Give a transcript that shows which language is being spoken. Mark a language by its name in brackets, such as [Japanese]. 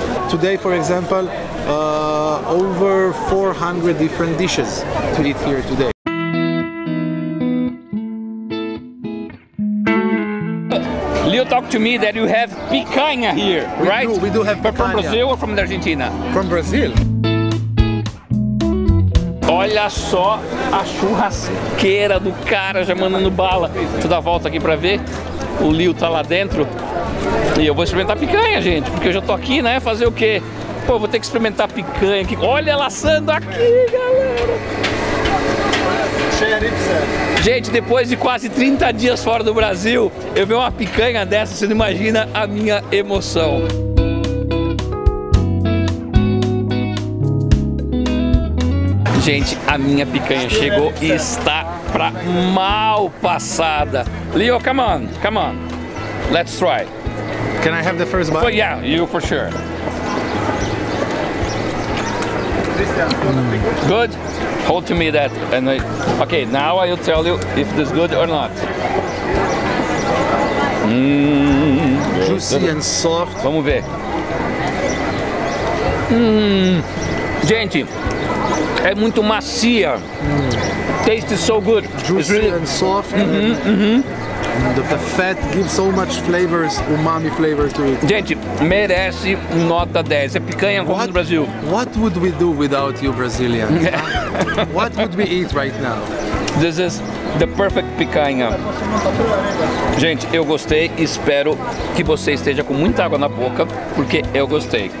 [English] Today, for example, over 400 different dishes to eat here today. Leo talked to me that you have picanha here, right? We do have picanha. But from Brazil or from Argentina? From Brazil. [Portuguese] Olha só a churrasqueira do cara já mandando bala. Tu dá a volta aqui pra ver. O Leo tá lá dentro. E eu vou experimentar picanha, gente. Porque eu já tô aqui, né? Fazer o quê? Pô, vou ter que experimentar picanha aqui. Olha ela assando aqui, galera. Gente, depois de quase 30 dias fora do Brasil, eu vi uma picanha dessa, você não imagina a minha emoção. Gente, a minha picanha chegou e está pra mal passada. [English] Leo, come on, come on. Let's try. Can I have the first bite? Oh, yeah, you for sure. Good? Hold to me that and I, okay, now I will tell you if this is good or not. Juicy and soft. [Portuguese] Vamos ver. Gente, é muito macia. [English] Taste is so good. Juicy, it's really, and soft. The fat gives so much flavors, umami flavor to it. [Portuguese] Gente, merece nota 10. É picanha como no Brasil. [English] What would we do without you, Brazilian? What would we eat right now? This is the perfect picanha. [Portuguese] Gente, eu gostei. Espero que você esteja com muita água na boca, porque eu gostei.